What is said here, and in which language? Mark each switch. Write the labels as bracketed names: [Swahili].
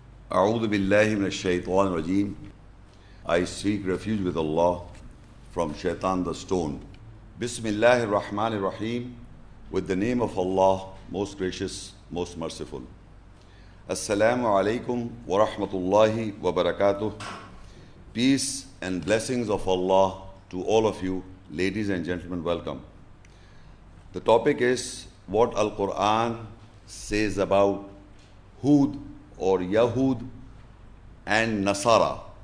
[Arabic] أعوذ بالله من الشيطان الرجيم. [English] I seek refuge with Allah from Shaitan the stone. [Arabic] بسم الله الرحمن الرحيم. [English] With the name of Allah, most gracious, most merciful. [Arabic] السلام عليكم ورحمة الله وبركاته. [English] Peace and blessings of Allah to all of you. Ladies and gentlemen, welcome. The topic is what Al-Quran says about Hud or Yahud and Nasara.